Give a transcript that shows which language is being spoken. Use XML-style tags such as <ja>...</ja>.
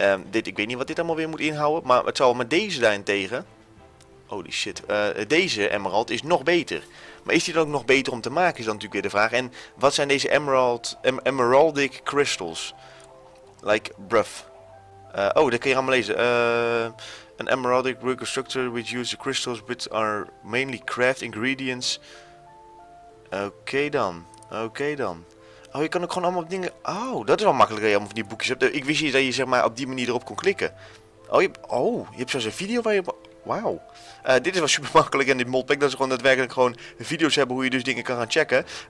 <nl>Ik weet niet wat dit allemaal weer moet inhouden. Maar het zal met deze daarentegen. Holy shit. Deze emerald is nog beter. Maar is die dan ook nog beter om te maken? Is dan natuurlijk weer de vraag. En wat zijn deze emeraldic crystals? Like, bruf. Dat kun je allemaal lezen.</nl> <en>An emeraldic reconstructor which uses crystals but are mainly craft ingredients.</en> <nl>Oké dan. Oh, je kan ook gewoon allemaal dingen. Oh, dat is wel makkelijk dat je allemaal van die boekjes hebt. Ik wist niet dat je zeg maar op die manier erop kon klikken. Oh, je hebt zelfs een video waar je. Wauw. Dit is wel super makkelijk in dit modpack. Dat ze gewoon daadwerkelijk gewoon video's hebben hoe je dus dingen kan gaan checken.</nl>